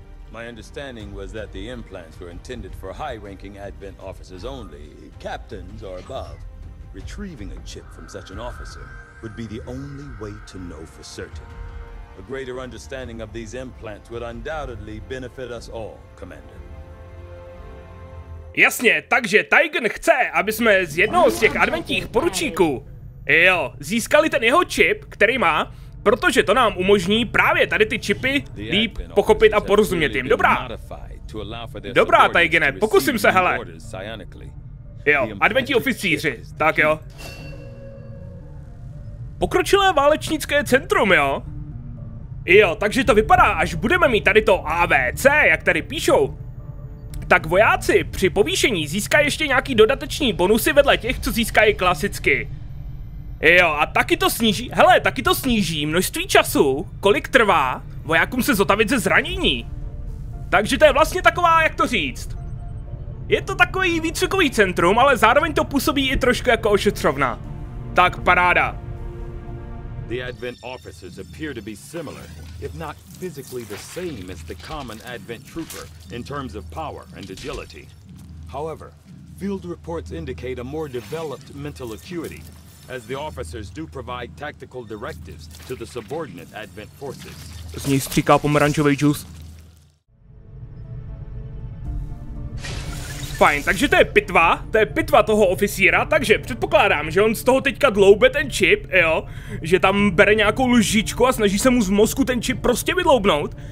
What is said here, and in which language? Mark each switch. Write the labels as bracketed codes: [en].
[en] My understanding was that the implants were intended for high-ranking Advent officers only, captains or above. Retrieving a chip from such an officer would be the only way to know for certain. A greater understanding of these implants would undoubtedly benefit us all, Commander. [cs] Jasně, takže Taigen chce, aby jsme z jednoho z těch adventních poručíků, jo, získali ten jeho chip, který má, protože to nám umožní právě tady ty chipy líp pochopit a porozumět jim. Dobrá. Dobrá, Taigene, pokusím se, hele. Jo, adventní oficíři, tak jo. Pokročilé válečnické centrum, jo. Jo, takže to vypadá, až budeme mít tady to AVC, jak tady píšou. Tak vojáci při povýšení získají ještě nějaký dodateční bonusy vedle těch, co získají klasicky. Jo, a taky to sníží, hele, taky to sníží množství času, kolik trvá vojákům se zotavit ze zranění. Takže to je vlastně taková, jak to říct. Je to takový výcvikový centrum, ale zároveň to působí i trošku jako ošetřovna. Tak paráda. [en] The Advent officers appear to be similar, if not physically the same as the common Advent trooper in terms of power and agility. However, field reports indicate a more developed mental acuity, as the officers do provide tactical directives to the subordinate Advent forces. [cs] Z něj stříká pomerančový džus. Fajn, takže to je pitva toho oficíra, takže předpokládám, že on z toho teďka dloube ten čip, jo, že tam bere nějakou lžičku a snaží se mu z mozku ten čip prostě vydloubnout.